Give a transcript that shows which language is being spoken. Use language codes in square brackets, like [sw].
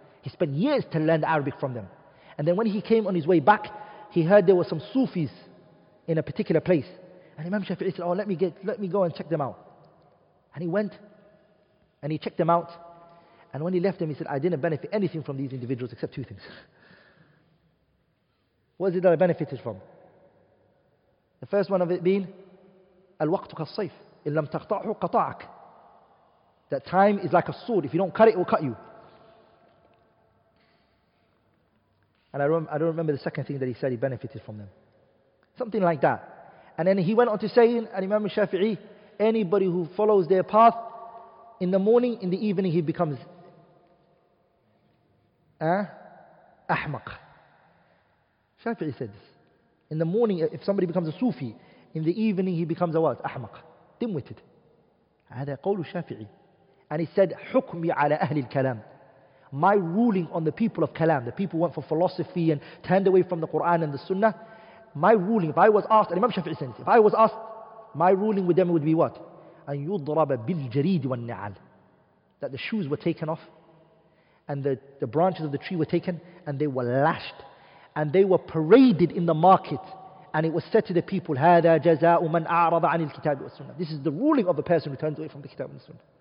[en] He spent years to learn Arabic from them. And then when he came on his way back, he heard there were some Sufis in a particular place. And Imam Shafi'i said, let me go and check them out. And he went and he checked them out. And when he left them, he said, I didn't benefit anything from these individuals except two things. What is it that I benefited from? The first one of it being, [ar] الوقت كالصيف إن لم تقطعه قطعك. [en] That time is like a sword. If you don't cut it, it will cut you. And I don't remember the second thing that he said, he benefited from them. Something like that. And then he went on to say, and Imam Shafi'i, anybody who follows their path, in the morning, in the evening, he becomes ahmaq. Shafi'i said this. In the morning, if somebody becomes a Sufi, in the evening, he becomes a what? [ar] Ahmaq. Dimwitted. هذا قول الشافعي. [en] And he said, [ar] حكمي على أهل الكلام. [en] My ruling on the people of kalam, the people who went for philosophy and turned away from the Quran and the Sunnah, my ruling, if I was asked, and Imam Shafi'i said, if I was asked, my ruling with them would be what? [ar] أن يضرب بالجريد والنعال. [en] That the shoes were taken off, and the branches of the tree were taken, and they were lashed, and they were paraded in the market, and it was said to the people, [ar] هذا جزاء من أعرض عن الكتاب والسنة. [en] This is the ruling of a person who turns away from the kitab and the sunnah.